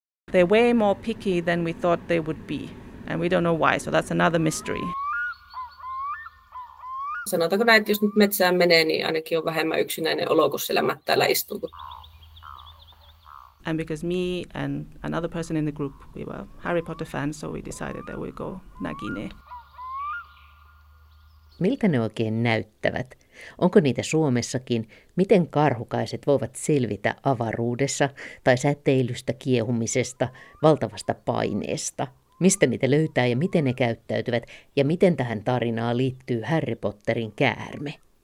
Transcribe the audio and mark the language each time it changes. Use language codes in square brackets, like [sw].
[en] They're way more picky than we thought they would be. And we don't know why, so that's another mystery. [fi] Sanotaanko näin, että jos nyt metsään menee, niin ainakin on vähemmän yksinäinen olo, kun siellä mättäällä istuu. [en] And because me and another person in the group, we were Harry Potter fans, so we decided that we go Nagini. [fi] Miltä ne oikein näyttävät? Onko niitä Suomessakin? Miten karhukaiset voivat selvitä avaruudessa tai säteilystä, kiehumisesta, valtavasta paineesta? Mistä niitä löytää ja miten ne käyttäytyvät? Ja miten tähän tarinaan liittyy Harry Potterin käärme?